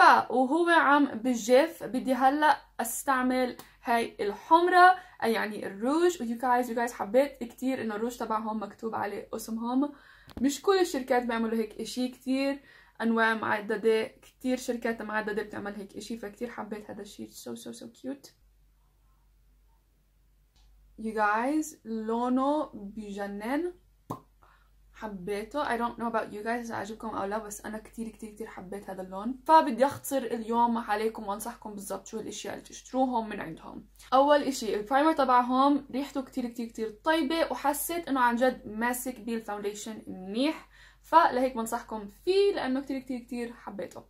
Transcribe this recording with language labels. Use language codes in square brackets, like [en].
[ar] وهو عم بالجيف، بدي هلأ أستعمل هاي الحمرة يعني الروج. [en] you guys [ar] حبيت كتير إنه الروج تبعهم مكتوب عليه اسمهم، مش كل الشركات بيعملوا هيك إشي، كتير أنواع معددة، كتير شركات معددة بتعمل هيك إشي، فكتير حبيت هذا الشيء. [en] so cute you guys، [ar] لونه بجنن، حبيته. [en] I don't know about you guys [ar] إذا عجبكم أو لا، بس أنا كتير حبيت هذا اللون. فبدي أختصر اليوم عليكم وأنصحكم بالضبط شو الأشياء اللي تشتروهم من عندهم. أول إشي البرايمر تبعهم ريحته كتير طيبة، وحسيت إنه عن جد ماسك بالفاونديشن منيح، فلهيك بنصحكم فيه لأنه كتير حبيته.